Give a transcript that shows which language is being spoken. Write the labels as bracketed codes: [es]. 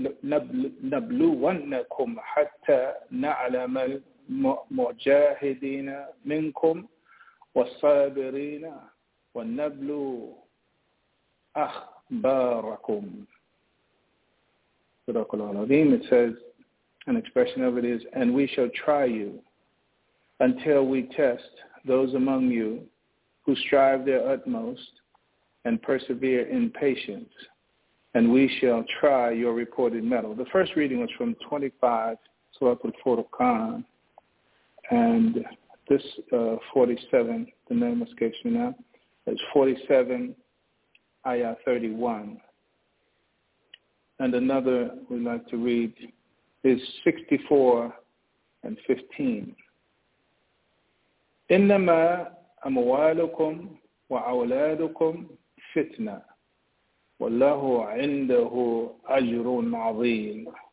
[ar] ونبلونكم حتى نعلم المجاهدين منكم والصابرين ونبلو أخباركم. صدق العظيم. [en] It says, an expression of it is, and we shall try you until we test those among you who strive their utmost and persevere in patience, and we shall try your reported mettle. The first reading was from 25, Surah Al-Furqan, and this 47, the name escapes me now, is 47, Ayah 31. And another we'd like to read is 64 and 15. [ar] إنما أموالكم وأولادكم فتنة والله عنده أجر عظيم.